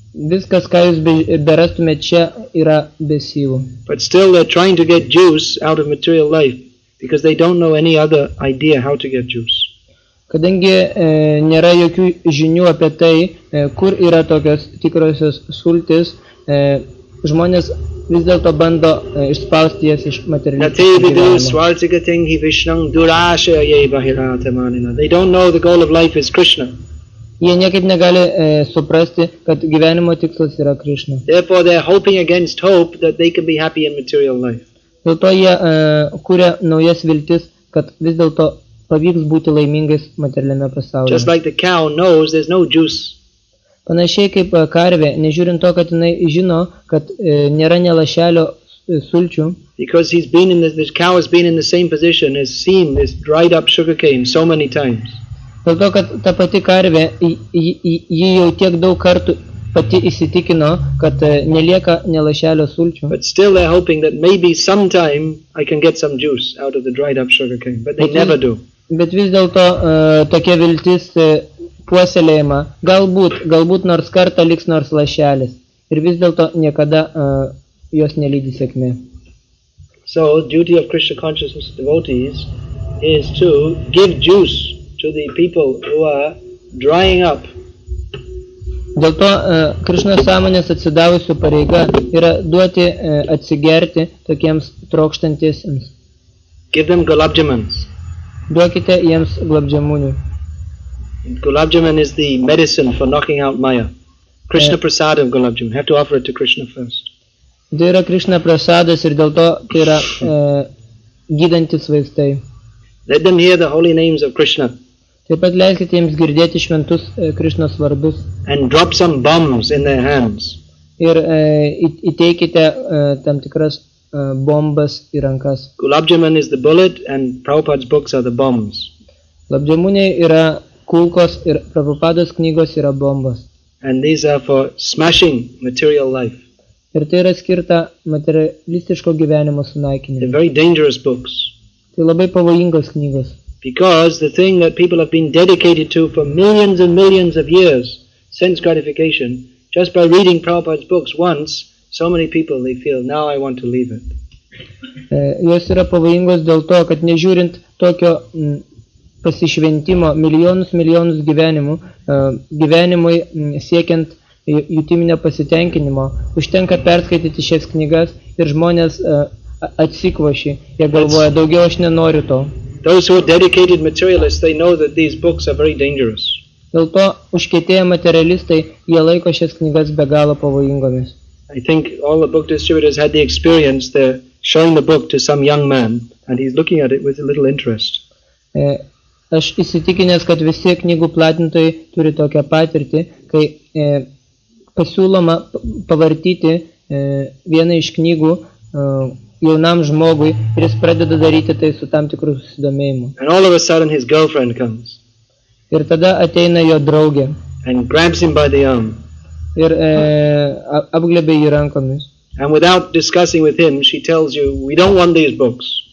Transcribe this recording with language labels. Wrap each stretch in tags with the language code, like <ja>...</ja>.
<lt>Viskas, ką jūs berastume čia, yra be syvų.</lt> <en>But still they're trying to get juice out of material life, because they don't know any other idea how to get juice.</en> <lt>Kadangi nėra jokių žinių apie tai, kur yra tokios tikrosios sultis, žmonės vis dėlto bando išspausti jas iš materialistinio gyvenimo.</lt> <en>They don't know the goal of life is Krishna.</en> <lt>Jie niekaip negali suprasti, kad gyvenimo tikslas yra Krishna.</lt> <en>Therefore they're hoping against hope that they can be happy in material life.</en> <lt>Dėl to jie kuria naujas viltis, kad vis dėlto pavyks būti laimingais materialiame pasaulyje.</lt> <en>Just like the cow knows there's no juice.</en> <lt>Panašiai kaip karvė, nežiūrint to, kad jinai žino, kad nėra nelašelio sulčių.</lt> <en>Because he's been in this cow has been in the same position has seen this dried up sugar cane so many times.</en> <lt>Dėl to, kad ta pati karvė, ji jau tiek daug kartų pati įsitikino, kad nelieka nelašelio sulčių.</lt> <en>But still they're hoping that maybe sometime I can get some juice out of the dried up sugar cane, but they never do.</en> <lt>Bet vis dėlto tokia viltis puoselėjama, galbūt nors kartą liks nors lašelis, ir vis dėlto niekada jos nelydi sėkmė.</lt> <en>So duty of Krishna consciousness devotees is to give juice to the people who are drying up</en> <lt>Dėl to Krišnos sąmonės atsidavusių pareiga yra duoti atsigerti tokiems trokštantiesiems.</lt> <en>Give them gulabjamans.</en> <lt>Duokite jiems glabdžiamunių.</lt> <en>Gulabjaman is the medicine for knocking out maya. Krishna prasadam gulabjaman. You have to offer it to Krishna first.</en> <lt>Tai yra Krishna prasadas ir dėl to tai yra gydantis vaistai.</lt> <en>Let them hear the holy names of Krishna.</en> <lt>Taip pat leiskite jiems girdėti šventus Krishnos vardus.</lt> <en>And drop some bombs in their hands.</en> <lt>Ir įteikite tam tikras bombas į rankas.</lt> <en>Gulabjaman is the bullet and Prabhupada's books are the bombs.</en> <lt>Gulabjamuniai yra kulkos ir Prabhupada's knygos yra bombos.</lt> <en>And these are for smashing material life.</en> <lt>Ir tai yra skirta materialistiško gyvenimo sunaikinimui.</lt> <en>They're very dangerous books.</en> <lt>Tai labai pavojingos knygos.</lt> <en>Because the thing that people have been dedicated to for millions and millions of years, sense gratification, just by reading Prabhupada's books once, so many people, they feel, now I want to leave it.</en> <lt>Jos yra pavojingos dėl to, kad nežiūrint tokio pasišventimo milijonus milijonus gyvenimų, gyvenimui siekiant jutiminio pasitenkinimo, užtenka perskaityti šias knygas ir žmonės atsikvoši, jie galvoja, daugiau aš nenoriu to.</lt> <en>Those who are dedicated materialists, they know that these books are very dangerous.</en> <lt>Dėl to užkietėję materialistai, jie laiko šias knygas be galo pavojingomis.</lt> <en>I think all the book distributors had the experience, they're showing the book to some young man, and he's looking at it with a little interest.</en> <lt>Aš įsitikinęs, kad visi knygų platintojai turi tokią patirtį, kai pasiūloma pavartyti vieną iš knygų jaunam žmogui, ir jis pradeda daryti tai su tam tikru susidomėjimu.</lt> <en>And all of a sudden his girlfriend comes.</en> <lt>Ir tada ateina jo draugė.</lt> <en>And grabs him by the arm.</en> <lt>Ir apglėbė jį rankomis.</lt> <en>And without discussing with him, she tells you, we don't want these books.</en>